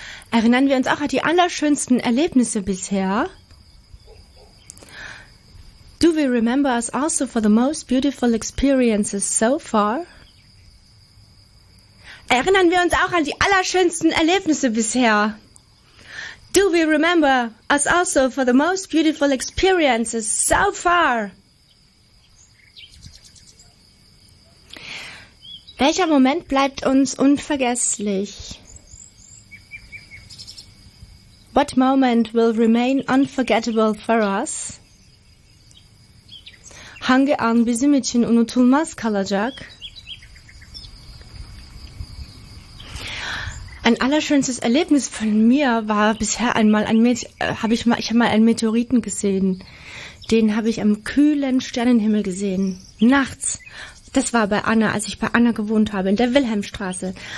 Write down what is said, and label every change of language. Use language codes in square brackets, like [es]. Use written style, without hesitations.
[de] Erinnern wir uns auch an die allerschönsten Erlebnisse bisher? [en] Do we remember us also for the most beautiful experiences so far? [de] Erinnern wir uns auch an die allerschönsten Erlebnisse bisher? [en] Do we remember us also for the most beautiful experiences so far? [de] Welcher Moment bleibt uns unvergesslich? [en] What moment will remain unforgettable for us? [tr] Hangi an bizim için unutulmaz kalacak? [de] Ein allerschönstes Erlebnis von mir war bisher einmal ein Meteoriten gesehen. Den habe ich am kühlen Sternenhimmel gesehen. Nachts. Das war bei Anna, als ich bei Anna gewohnt habe, in der Wilhelmstraße.